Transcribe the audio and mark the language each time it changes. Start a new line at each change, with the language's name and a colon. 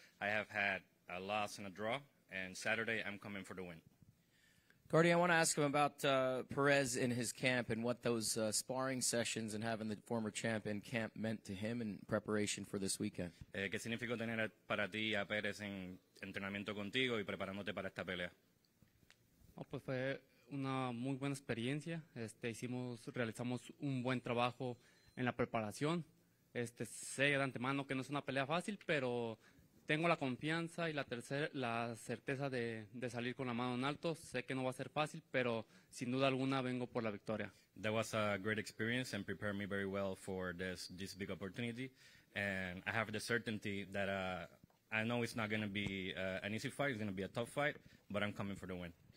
English: I have had a loss and a draw, and Saturday I'm coming for the win. Cordy, I want to ask him about Perez in his camp and what those sparring sessions and having the former champ in camp meant to him in preparation for this weekend.
Spanish: ¿Qué significó tener para ti a Perez en entrenamiento contigo y preparándote para esta pelea? Oh, pues fue una muy buena experiencia. Realizamos un buen trabajo en la preparación. Sé de antemano que no es una pelea fácil, pero tengo la confianza y la certeza de salir con la mano en alto. Sé que no va a ser fácil, pero sin duda alguna vengo por la victoria.
English: That was a great experience and prepared me very well for this big opportunity. And I have the certainty that I know it's not going to be an easy fight. It's going to be a tough fight, but I'm coming for the win.